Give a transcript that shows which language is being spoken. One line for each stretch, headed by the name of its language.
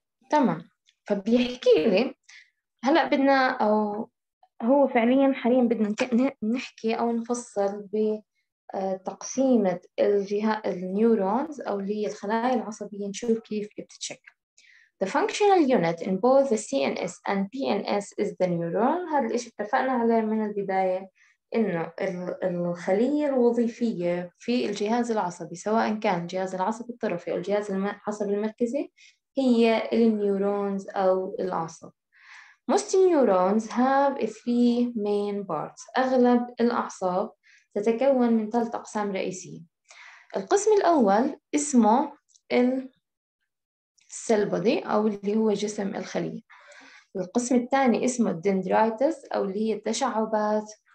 Arabic: تمام، فبيحكي لي هلا بدنا، او هو فعليا حاليا بدنا نحكي او نفصل بتقسيمة الجهاز النيورونز او اللي هي الخلايا العصبية، نشوف كيف بتتشكل.
English: The functional unit in both the CNS and PNS is the neuron.
Arabic: هذا الإشي اتفقنا عليه من البداية إنه الخلية الوظيفية في الجهاز العصبي سواء كان الجهاز العصبي الطرفي أو الجهاز العصبي المركزي هي النيورونز أو الأعصاب.
English: Most neurons have three main parts.
Arabic: أغلب الأعصاب تتكون من ثلاث أقسام رئيسية. القسم الأول اسمه cell body أو اللي هو جسم الخلية. القسم الثاني اسمه dendrites أو اللي هي التشعبات.